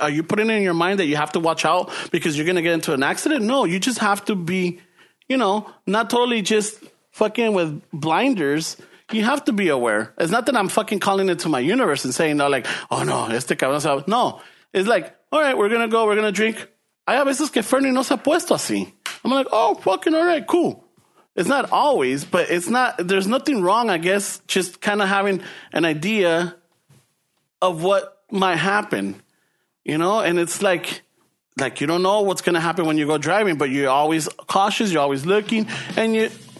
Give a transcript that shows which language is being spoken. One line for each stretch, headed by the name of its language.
English: Are you putting it in your mind that you have to watch out because you're going to get into an accident? No, you just have to be, you know, not totally just fucking with blinders. You have to be aware. It's not that I'm fucking calling it to my universe and saying, like, oh, no,
Spanish: este cabrón se va.
English: No, it's like, all right, we're going to go. We're going to drink.
Spanish: Hay a veces que Fernie no se ha puesto así.
English: I'm like, oh, fucking all right, cool. It's not always, but there's nothing wrong, I guess, just kind of having an idea of what might happen, you know? And it's like you don't know what's going to happen when you go driving, but you're always cautious, you're always looking, and you...